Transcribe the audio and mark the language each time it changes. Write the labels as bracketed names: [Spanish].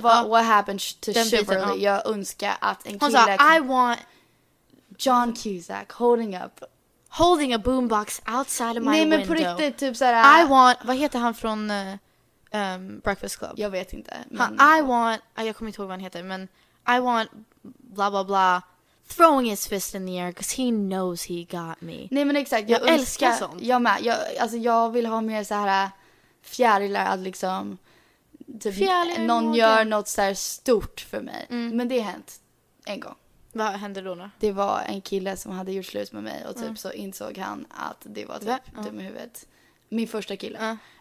[English] What happened to Chivalry? [Swedish] Jag önskar att en hon kille... Hon sa, [English] I want John Cusack holding up. Holding a boombox outside of my window. [Swedish] Nej, men på riktigt, typ såhär... [English] I want... [Swedish] Vad heter han från Breakfast Club? Jag vet inte. [English] Men... I want... [Swedish] Jag kommer inte ihåg vad han heter, men... [English] I want blah, blah, blah. Throwing his fist in the air because he knows he got me. [Swedish] Nej, men exakt. Jag älskar sånt. Jag med. Jag vill ha mer så här fjärilar att liksom... Typ, fjärilar. Någon gör något så här stort för mig. Mm. Men det har hänt en gång. Vad hände då? Det var en kille som hade gjort slut med mig och typ så insåg han att det var typ dum i huvudet. Min första kille.